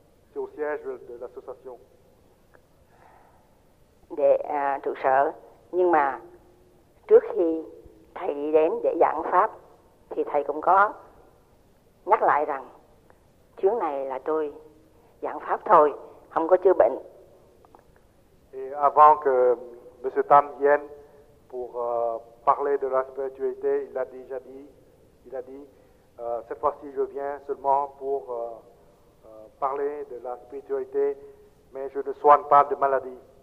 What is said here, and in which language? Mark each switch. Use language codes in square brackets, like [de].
[fr] C'est au siège de l'association. [vi] Để trụ sở. Nhưng mà trước khi thầy đi đến để giảng pháp thì thầy cũng có nhắc lại rằng chuyến này là tôi giảng pháp thôi, không có chữa bệnh. [fr] Et avant que M. Tam vienne pour parler de la spiritualité, il a dit cette fois-ci je viens seulement pour parler de la spiritualité, mais je ne soigne pas de maladie.